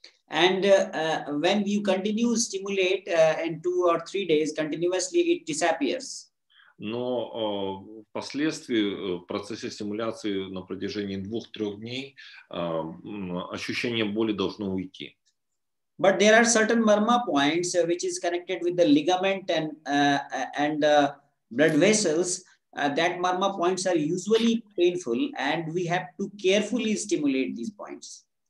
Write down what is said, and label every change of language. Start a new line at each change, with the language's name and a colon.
English: And when you continue stimulate in two or three days continuously, it disappears.
Russian: Но впоследствии в процессе стимуляции на протяжении 2-3 дней ощущение боли должно уйти.
English: But there are certain marma points which is connected with the ligament and blood vessels. That marma points are usually painful, and we have to carefully stimulate these points.